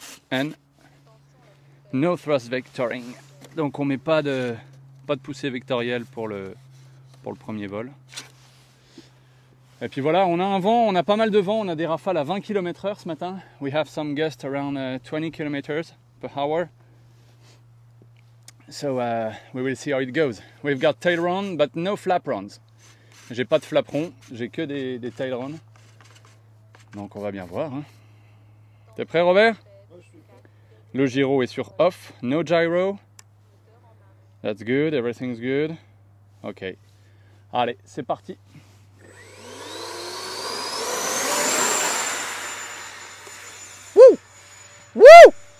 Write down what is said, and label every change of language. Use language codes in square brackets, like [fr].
[en] And no thrust vectoring, [fr] donc on met pas de poussée vectorielle pour le premier vol. Et puis voilà, on a un vent, on a pas mal de vent, on a des rafales à 20 km/h ce matin. [en] We have some gusts around 20 km/h. So we will see how it goes. We've got tailerons, but no flaperons. [fr] J'ai pas de flaperons, j'ai que des tailerons. Donc on va bien voir. Hein. T'es prêt, Robert? Le gyro est sur off, [en] no gyro. That's good, everything's good. [fr] Ok. Allez, c'est parti. Woo! Woo!